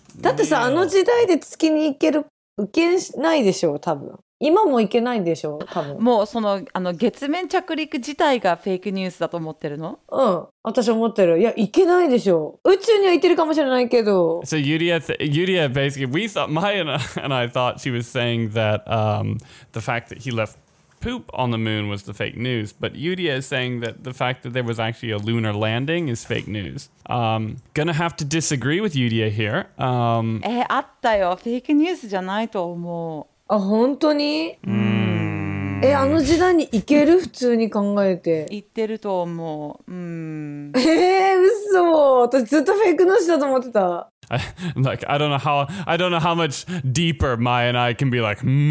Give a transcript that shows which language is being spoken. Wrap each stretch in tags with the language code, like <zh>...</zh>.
<ja>だってさ、あの時代で月に行ける受けないでしょ、多分。今も行けないんでしょ、多分。もうその、 あの月面着陸自体がフェイクニュースだと思ってるの？うん、私思ってる。いや、行けないでしょ。宇宙には行ってるかもしれないけど。</ja> <en>So Yuria basically, we thought, Maya and I thought she was saying that the fact that he left poop on the moon was the fake news. But Yuria is saying that the fact that there was actually a lunar landing is fake news. Gonna have to disagree with Yuria here.</en> <ja>あったよ。フェイクニュースじゃないと思う。あ、本当に？うん。あの時代に行ける？普通に考えて。行ってると思う。嘘。私ずっとフェイクの話だと思ってた。</ja> <en>I don't know how much deeper Mai and I can be like,</en>